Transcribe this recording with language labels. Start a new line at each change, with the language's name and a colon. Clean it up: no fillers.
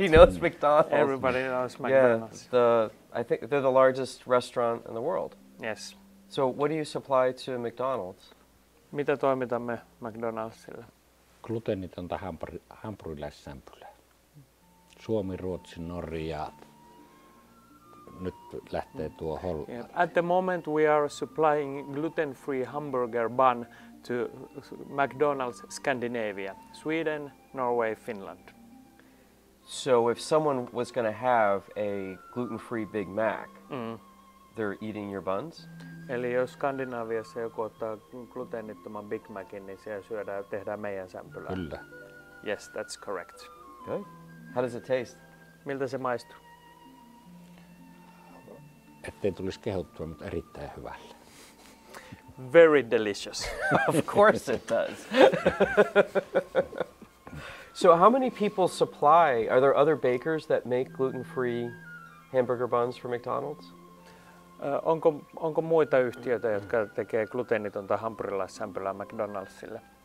English: Everybody knows McDonald's. Everybody knows McDonald's. Yeah, I think they're the largest restaurant in the world. Yes. So what do you supply to McDonald's?
Finnish: Mitä toimitamme McDonald'sille? Gluteenitonta hampurilaissämpylää. Suomi, Ruotsi, Norja. Nyt lähtee tuo Hollanti.
English: Yeah. At the moment we are supplying gluten-free hamburger bun to McDonald's Scandinavia, Sweden, Norway, Finland. So if someone was going to have a gluten-free Big Mac, they're eating your buns?
Finnish: Eli jos Skandinaviassa joku ottaa gluteenittoman Big Macin, niin siellä syödään, tehdään meidän sämpylää. Kyllä.
English: Yes, that's correct. Okay. How does it taste?
Finnish: Miltä se maistuu? Ettei tulisi kehuttua, mutta erittäin hyvälle.
English: Very delicious. Of course it does. So how many people supply? Are there other bakers that make gluten-free hamburger buns for McDonald's?
Finnish: Onko muita yhtiöitä, jotka tekee gluteenitonta hampurilaissämpylää McDonald'sille?